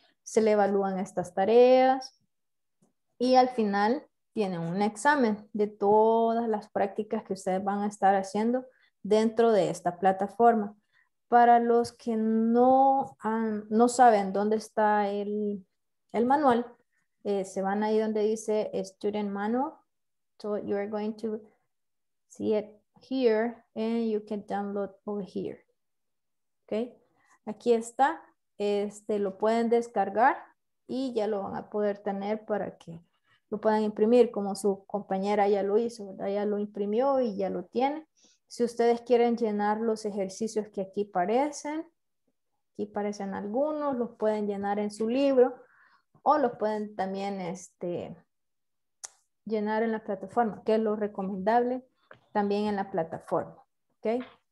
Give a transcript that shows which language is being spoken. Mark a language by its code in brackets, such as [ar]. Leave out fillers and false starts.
[es] Se le evalúan estas tareas y al final tienen un examen de todas las prácticas que ustedes van a estar haciendo dentro de esta plataforma. Para los que no saben dónde está el manual, se van ahí donde dice Student Manual. [en] So you're going to see it here and you can download over here. [es] Okay. Aquí está. Lo pueden descargar y ya lo van a poder tener para que lo puedan imprimir, como su compañera ya lo hizo, ¿verdad? Ya lo imprimió y ya lo tiene. Si ustedes quieren llenar los ejercicios que aquí parecen algunos, los pueden llenar en su libro o los pueden también llenar en la plataforma, que es lo recomendable también en la plataforma, ¿ok?